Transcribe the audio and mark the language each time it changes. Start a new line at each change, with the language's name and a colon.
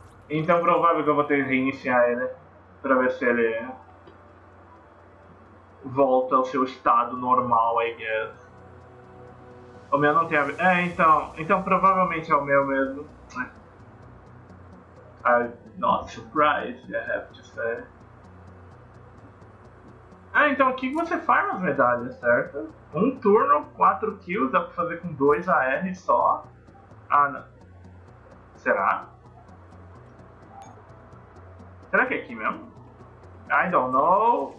Portuguese: Então provável que eu vou ter que reiniciar ele. Pra ver se ele volta ao seu estado normal,
English: I guess.
Portuguese: O meu não tem a. Então provavelmente é o meu mesmo.
English: I'm not surprised, I have to say.
Portuguese: Ah, então aqui você farma as medalhas, certo? Um turno, 4 kills, dá pra fazer com 2 AR só. Ah, não. Será? Será que é aqui mesmo?
English: I don't know.